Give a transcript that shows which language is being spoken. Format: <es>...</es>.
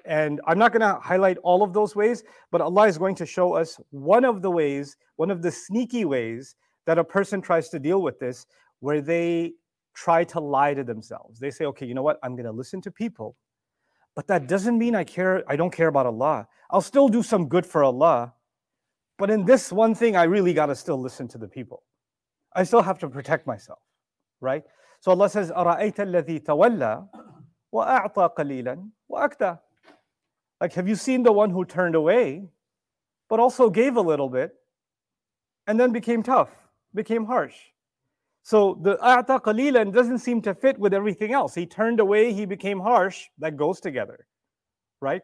<en>And I'm not going to highlight all of those ways, but Allah is going to show us one of the ways, one of the sneaky ways that a person tries to deal with this, where they try to lie to themselves. They say, okay, you know what? I'm going to listen to people, but that doesn't mean I care. I don't care about Allah. I'll still do some good for Allah, but in this one thing, I really got to still listen to the people. I still have to protect myself, right? So Allah says,</en> <ar>أَرَأَيْتَ الَّذِي تَوَلَّى وَأَعْطَى قَلِيلًا وَأَكْتَى.</ar> <en>Like, have you seen the one who turned away, but also gave a little bit, and then became tough, became harsh? So the</en> <ar>a'ta qalilan</ar> <en>doesn't seem to fit with everything else. He turned away, he became harsh. That goes together. right?</en>